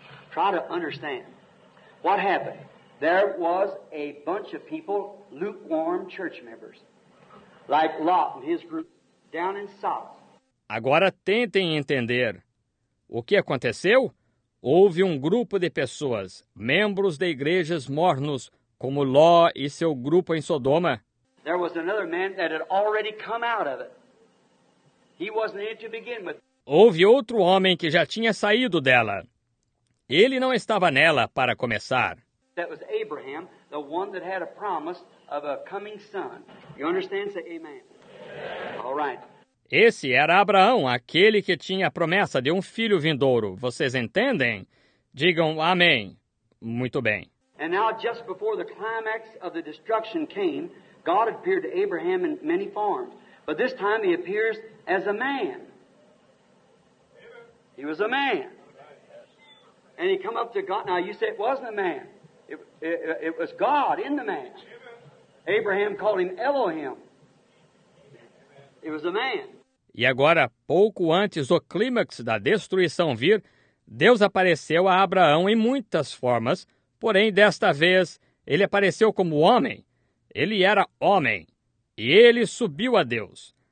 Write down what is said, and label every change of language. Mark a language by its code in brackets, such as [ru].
[en] Try to understand what happened. There was a bunch of people, lukewarm church members, like Lot and his group, down in Sodom. [pt] Agora tentem entender o que aconteceu. Houve um grupo de pessoas, membros de igrejas mornos, como Ló e seu grupo em Sodoma. [en] There was another man that had already come out of it. He wasn't in it to begin with. [pt] Houve outro homem que já tinha saído dela. Ele não estava nela para começar. [en] That was Abraham, the one that had a promise of a coming son. You understand? Say amen. All right. [pt] Esse era Abraão, aquele que tinha a promessa de um filho vindouro. Vocês entendem? Digam amém. Muito bem. [en] And now, just before the climax of the destruction came, God appeared to Abraham in many forms. But this time he appears as a man. He was a man. And he come up to God. Now, you say it wasn't a man. It was God in the man. Abraham called him Elohim. It was a man. [pt] E agora, pouco antes do clímax da destruição vir, Deus apareceu a Abraão em muitas formas, porém, desta vez, ele apareceu como homem. Ele era homem. E ele subiu a Deus.